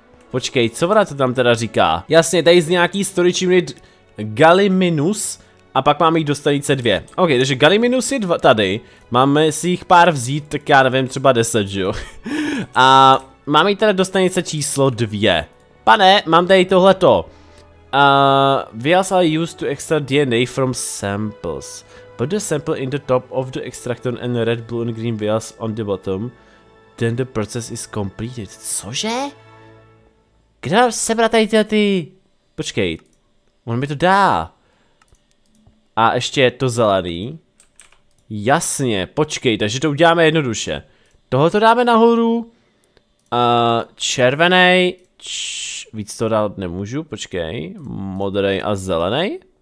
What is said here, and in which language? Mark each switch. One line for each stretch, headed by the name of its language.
Czech: Počkej, co ona to tam teda říká? Jasně, tady z nějaký storage unit Galliminus a pak máme jich do stanice 2. Ok, takže Galliminus je dva, tady, máme si jich pár vzít, tak já nevím, třeba 10, jo? A... Mám jí teda do stanice číslo 2. Pane, mám tady tohleto.
English: We also used to extract DNA from samples. Put the sample in the top of the extractor and red, blue and green vials on the bottom. Then the process is completed.
Czech: Cože? Kde mám sebrat tady tyhle ty... Počkej. On mi to dá. A ještě je to zelený. Jasně, počkej, takže to uděláme jednoduše. Tohle to dáme nahoru. Červenej, víc to dát nemůžu, počkej, modrej a zelenej.